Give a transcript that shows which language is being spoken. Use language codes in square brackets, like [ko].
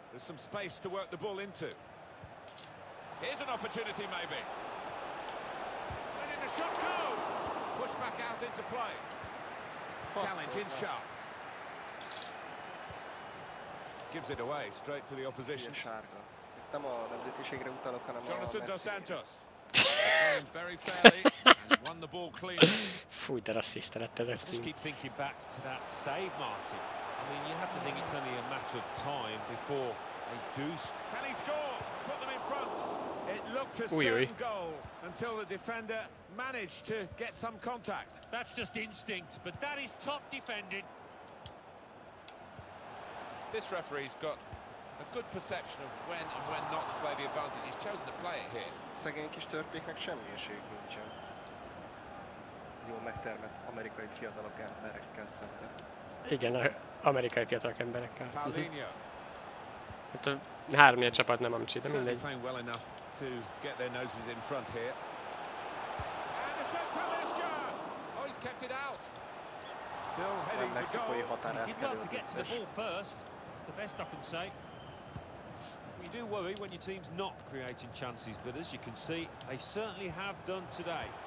[en] There's some space to work the ball into. Here's an opportunity, maybe. And in the shot go! Push back out into play. Challenge in sharp. Gives it away straight to the opposition. [hu] Nem a nemzetiségre utalok, hanem [en] Jonathan Dos Santos. Very fairly. Won the ball clean. [hu] Fúj, de rasszista lett ez a stream. [en] Just keep thinking back to that save, Martin. I mean, you have to think it's only a matter of time before they do. Can he score? Put them in front. It looked a certain goal until the defender managed to get some contact. That's just instinct, but that is top defending. This referee's got a good perception of when and when not to play the advantage. He's chosen to play it here. [hu] Szegény kis törpéknek semmi esélyük nincsen. Jó megtermett amerikai fiatalok emberekkel szemben. Igen, amerikai fiatalok emberekkel. Hát a három ilyen csapat nem amcsi, de mindegy. [en] To get their noses in front here. And a shot from Eska! Oh, he's kept it out. Still heading for goal. He did not get to the ball first. That's the best I can say. You do worry when your team's not creating chances, but as you can see, they certainly have done today.